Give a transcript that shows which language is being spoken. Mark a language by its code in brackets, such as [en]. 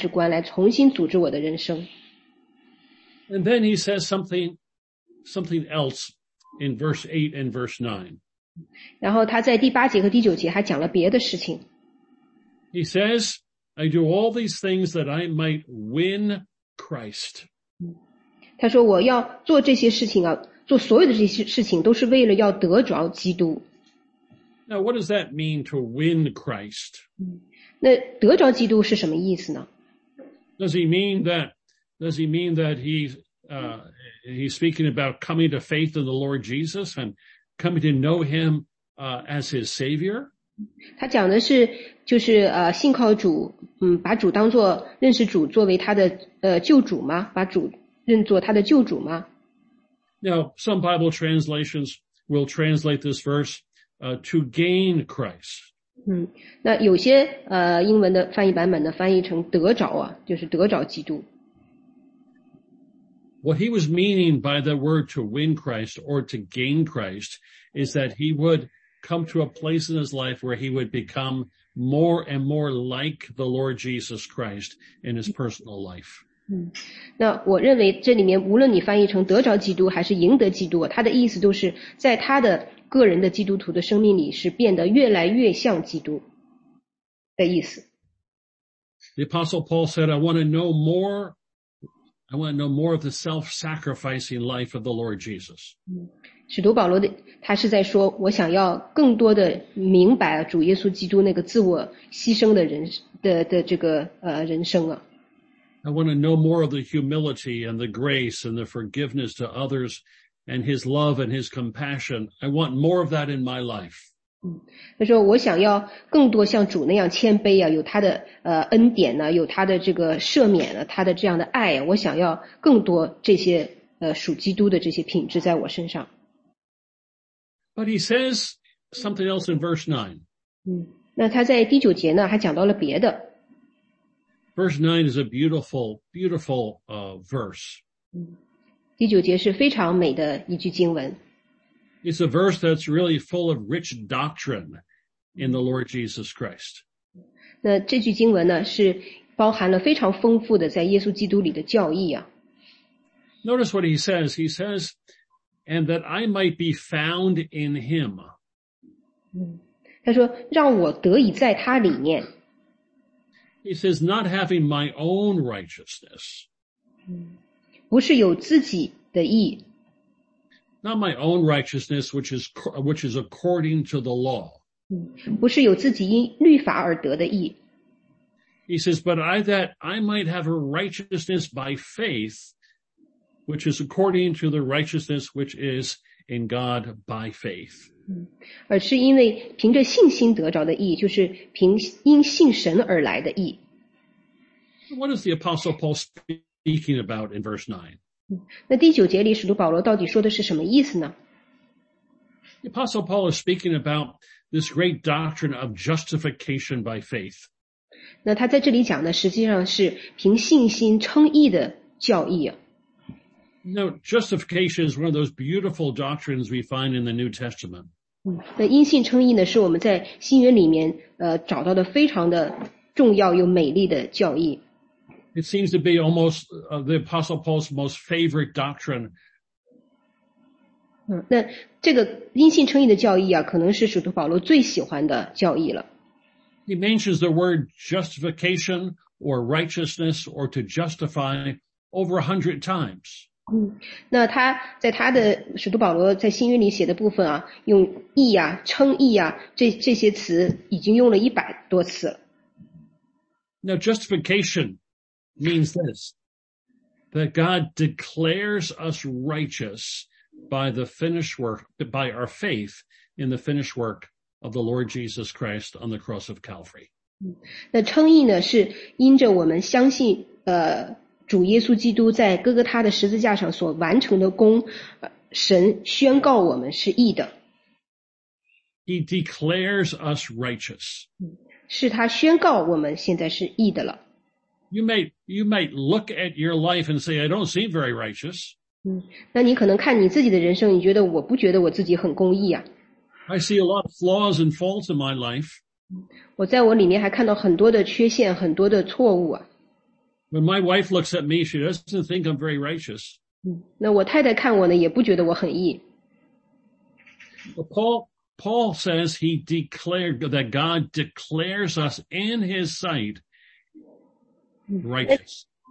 [zh] 他说我现在完全按照基督的价值观来重新组织我的人生。 [en] And then he says something else in verse 8 and verse 9. [zh] 然后他在第八节和第九节还讲了别的事情。 [en] He says, I do all these things that I might win Christ. [zh] 他说我要做这些事情啊, 做所有的这些事情都是为了要得着基督。 [en] Now, what does that mean to win Christ? [zh] 那得着基督是什么意思呢？ [en] Does he mean that he's speaking about coming to faith in the Lord Jesus and coming to know him, as his savior? [zh] 他讲的是就是信靠主，把主当作认识主作为他的救主吗？把主认作他的救主吗？ [en] Now, some Bible translations will translate this verse, to gain Christ. [zh] 那有些英文的翻译版本呢，翻译成得着啊，就是得着基督。 [en] What he was meaning by the word to win Christ or to gain Christ is that he would come to a place in his life where he would become more and more like the Lord Jesus Christ in his personal life. [zh] 那我认为这里面无论你翻译成得着基督还是赢得基督，他的意思都是在他的个人的基督徒的生命里是变得越来越像基督的意思。 [en] The Apostle Paul said, I want to know more of the self-sacrificing life of the Lord Jesus. [zh] 使徒保罗的他是在说，我想要更多的明白主耶稣基督那个自我牺牲的人的这个人生啊。 [en] I want to know more of the humility and the grace and the forgiveness to others and his love and his compassion. I want more of that in my life. [zh] 他说我想要更多像主那样谦卑啊，有他的恩典呢，有他的这个赦免呢，他的这样的爱啊，我想要更多这些属基督的这些品质在我身上。 [en] But he says something else in verse 9. [zh] 那他在第九节呢还讲到了别的。 [en] Verse 9 is a beautiful, beautiful, verse. [zh] 第九节是非常美的一句经文。 [en] It's a verse that's really full of rich doctrine in the Lord Jesus Christ. [zh] 那这句经文呢是包含了非常丰富的在耶稣基督里的教义啊。 [en] Notice what he says. He says, and that I might be found in him. [zh] 他说让我得以在他里面。 [en] He says, not having my own righteousness. [zh] 不是有自己的义。 [en] Not my own righteousness, which is according to the law. [zh] 不是有自己因律法而得的义。 [en] He says, but I might have a righteousness by faith, which is according to the righteousness which is in God by faith. [zh] 而是因为凭着信心得着的义，就是凭因信神而来的义。 [en] What is the Apostle Paul speaking about in verse 9? [zh] 那第九节里使徒保罗到底说的是什么意思呢？ [en] The Apostle Paul is speaking about this great doctrine of justification by faith. [zh] 那他在这里讲的实际上是凭信心称义的教义啊。 [en] Now, justification is one of those beautiful doctrines we find in the New Testament. [zh] 那因信称义呢是我们在新约里面找到的非常的重要又美丽的教义。 [en] It seems to be almost the Apostle Paul's most favorite doctrine. [zh] 那这个因信称义的教义啊可能是使徒保罗最喜欢的教义了。 [en] He mentions the word justification or righteousness or to justify over 100 times. [zh] 那他在他的使徒保罗在新约里写的部分啊用义啊称义啊这些词已经用了100多次了。 [en] Now justification means this, that God declares us righteous by the finished work, by our faith in the finished work of the Lord Jesus Christ on the cross of Calvary. [zh] 那称义呢是因着我们相信主耶稣基督在哥哥他的十字架上所完成的功，神宣告我们是义的。 [en] He declares us righteous. [zh] 是他宣告我们现在是义的了。 [en] You might look at your life and say, I don't seem very righteous. [zh] 那你可能看你自己的人生，你觉得我不觉得我自己很公义啊。 [en] I see a lot of flaws and faults in my life. [zh] 我在我里面还看到很多的缺陷，很多的错误啊。 [en] When my wife looks at me, she doesn't think I'm very righteous. [zh] 那我太太看我呢，也不觉得我很义。 [en] But Paul says he declared that God declares us in His sight righteous.